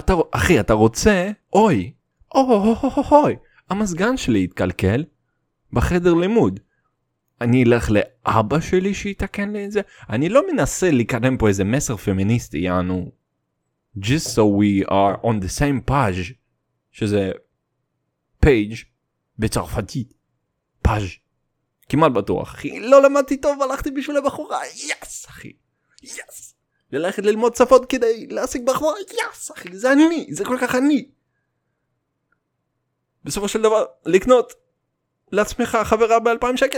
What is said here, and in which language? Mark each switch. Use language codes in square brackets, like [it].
[he] אחי, אתה רוצה? אוי, אוי, המזגן שלי התקלקל בחדר לימוד. אני אלך לאבא שלי שיתקן לי את זה? אני לא מנסה לקדם פה איזה מסר פמיניסטי, יענו. [en] Just so we are on the same page, [he] שזה page בצרפתית. Page. כמעט בטוח, אחי. לא למדתי טוב, הלכתי בשביל הבחורה. Yes, אחי. Yes. ללכת ללמוד שפות כדי להשיג בחורה. Yes, אחי. זה אני. זה כל כך אני. בסופו של דבר, לקנות לעצמך חברה ב-2000 שקל.